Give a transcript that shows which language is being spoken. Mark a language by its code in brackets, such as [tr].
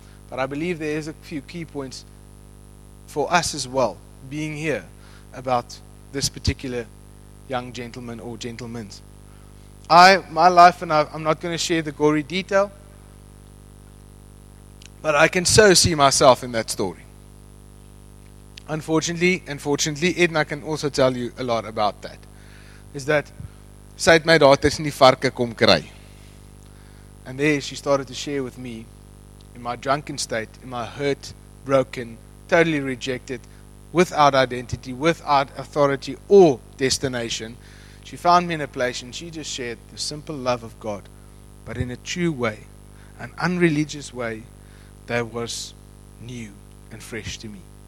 [en] But I believe there is a few key points for us as well, being here, about this particular young gentleman or gentlemen. I'm not going to share the gory detail, but I can so see myself in that story. Unfortunately, Edna can also tell you a lot about that. Is that, [af] sy het my daar tussen die varke kom kry. [en] And there she started to share with me, in my drunken state, in my hurt, broken, totally rejected, without identity, without authority or destination, she found me in a place and she just shared the simple love of God, but in a true way, an unreligious way that was new and fresh to me.